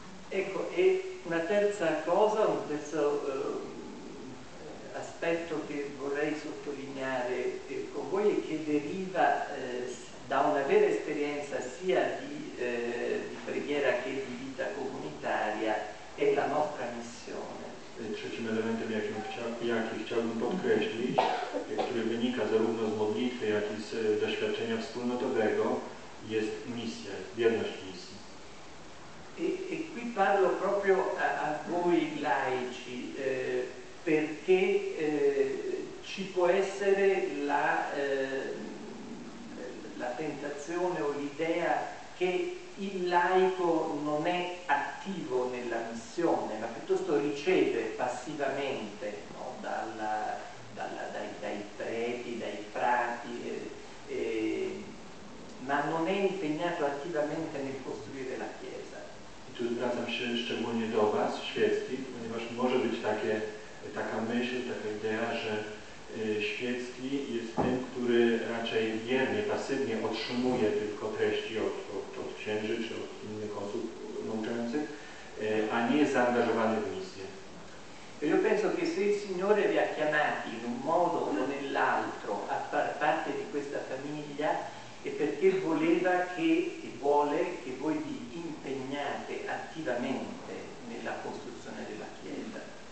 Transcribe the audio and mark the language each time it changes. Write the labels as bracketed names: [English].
[Italian] Ecco, e una terza cosa, un terzo aspetto che vorrei sottolineare con voi e che deriva da una vera esperienza sia di preghiera che di vita comunitaria, è la nostra missione. [Polish] Trzecim elementem, jaki chciałbym podkreślić, który wynika zarówno z modlitwy, jak i z doświadczenia wspólnotowego, jest misja, wierność misji. [Italian] E qui parlo proprio a voi laici, perché ci può essere la tentazione o l'idea che il laico non è attivo nella missione, ma piuttosto riceve passivamente, no, dai preti, dai frati, ma non è impegnato attivamente nel costruire la Chiesa. [Polish] I tu zwracam się szczególnie do Was, świeckich, ponieważ może być taka myśl, taka idea, że świecki jest tym, który raczej wiernie, pasywnie otrzymuje tylko treści od księży czy od innych osób nauczających, a nie jest zaangażowany w misję. [Italian] Io penso che se il Signore vi ha chiamati in un modo o nell'altro a far parte di questa famiglia è perché voleva che e vuole che voi vi impegnate attivamente nella costruzione della Chiesa.